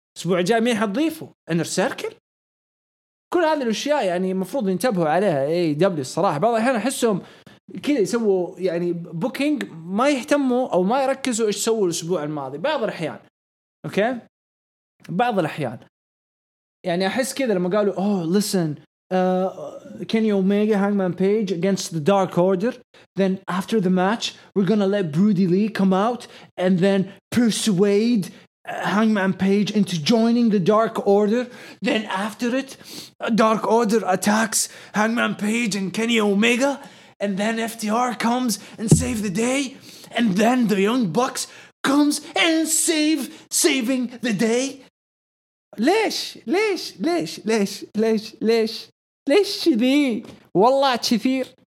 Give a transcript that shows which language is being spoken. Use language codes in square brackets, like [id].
[ar] أسبوع جاي مين حتضيفوا؟ إنر سيركل. كل هذه الأشياء يعني مفروض ينتبهوا عليها اي دبليو الصراحة. بعض الأحيان أحسهم كده يسووا يعني بوكينج ما يهتموا أو ما يركزوا إيش سووا الأسبوع الماضي بعض الأحيان أوكي بعض الأحيان. يعني أحس كده لما قالوا أوه [en] listen Kenny Omega Hangman Page against the dark order then after the match we're gonna let Brody Lee come out and then persuade Hangman Page into joining the Dark Order. Then after it, Dark Order attacks Hangman Page and Kenny Omega. And then FTR comes and save the day. And then the Young Bucks comes and saving the day. [ar] ليش ليش ليش ليش ليش ليش ليش شذي؟ والله كثير.